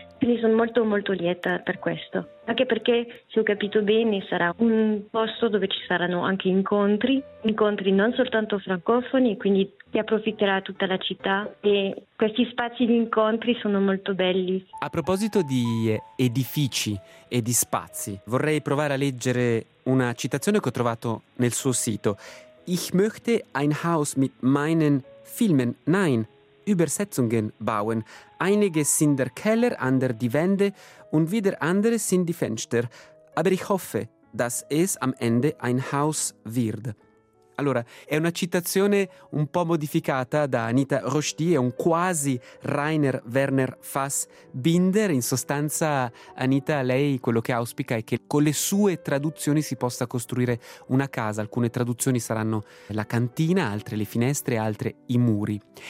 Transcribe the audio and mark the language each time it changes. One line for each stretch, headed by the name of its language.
Italian: Quindi sono molto molto lieta per questo. Anche perché, se ho capito bene, sarà un posto dove ci saranno anche incontri non soltanto francofoni, quindi si approfitterà tutta la città e questi spazi di incontri sono molto belli. A proposito di edifici e di spazi, vorrei provare a leggere una citazione che ho trovato nel suo sito.
German: Ich möchte ein Haus mit meinen Filmen, nein, Übersetzungen bauen. Einige sind der Keller, andere die Wände und wieder andere sind die Fenster. Aber ich hoffe, dass es am Ende ein Haus wird.
Italian: Allora, è una citazione un po' modificata da Anita Rochdi, è un quasi Rainer Werner Fassbinder. In sostanza, Anita, lei quello che auspica è che con le sue traduzioni si possa costruire una casa. Alcune traduzioni saranno la cantina, altre le finestre, altre i muri.